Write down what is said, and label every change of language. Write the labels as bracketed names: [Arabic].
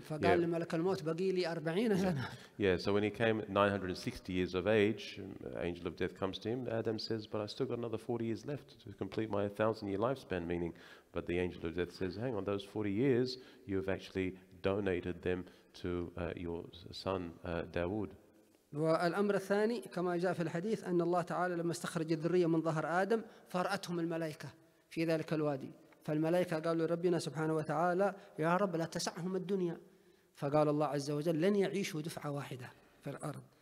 [Arabic] فقال لملك الموت بقي لي 40 سنة. [English] Yeah, so when he came at 960 years of age, angel of death comes to him. Adam says, but I still got another 40 years left to complete my 1,000 year lifespan. Meaning, but the angel of death says, hang on, those 40 years you have actually donated them to your son Dawood. [Arabic] والأمر الثاني كما جاء في الحديث أن الله تعالى لما استخرج الذرية من ظهر آدم فرأتهم الملائكة في ذلك الوادي. فالملائكة قالوا ربنا سبحانه وتعالى يا رب لا تسعهم الدنيا. فقال الله عز وجل لن يعيشوا دفعة واحدة في الأرض.